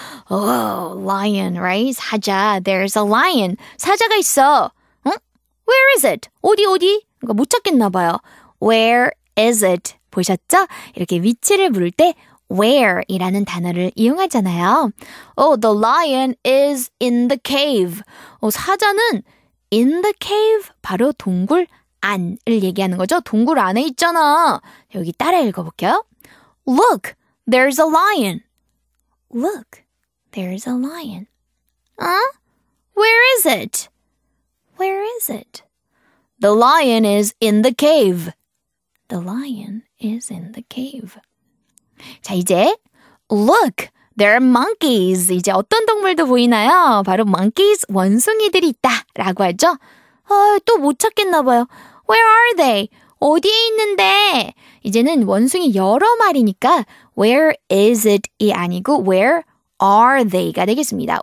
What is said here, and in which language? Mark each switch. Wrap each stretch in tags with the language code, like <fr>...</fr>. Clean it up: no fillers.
<en>Oh, lion, right? 사자. There's a lion.</en> <ko>사자가 있어. 응?</ko> <en>Where is it?</en> <ko>어디, 어디? 그러니까 못 찾겠나 봐요.</ko> <en>Where is it?</en> <ko>보셨죠? 이렇게 위치를 물을 때 Where 이라는 단어를 이용하잖아요.</ko> <en>Oh, the lion is in the cave.</en> <ko>사자는</ko> <en>in the cave</en> <ko>바로 동굴 안을 얘기하는 거죠. 동굴 안에 있잖아. 여기 따라 읽어볼게요.</ko> <en>Look, there's a lion. Look, there's a lion. Huh? Where is it? Where is it? The lion is in the cave. The lion is in the cave.</en> <ko>자, 이제</ko> <en>Look, there are monkeys.</en> <ko>이제 어떤 동물도 보이나요? 바로 monkeys, 원숭이들이 있다 라고 하죠. 또 못 찾겠나 봐요.</ko> <en>Where are they?</en> <ko>어디에 있는데? 이제는 원숭이 여러 마리니까</ko> <en>Where is it?</en> <ko>이 아니고</ko> <en>Where are they?</en> <ko>가 되겠습니다.</ko>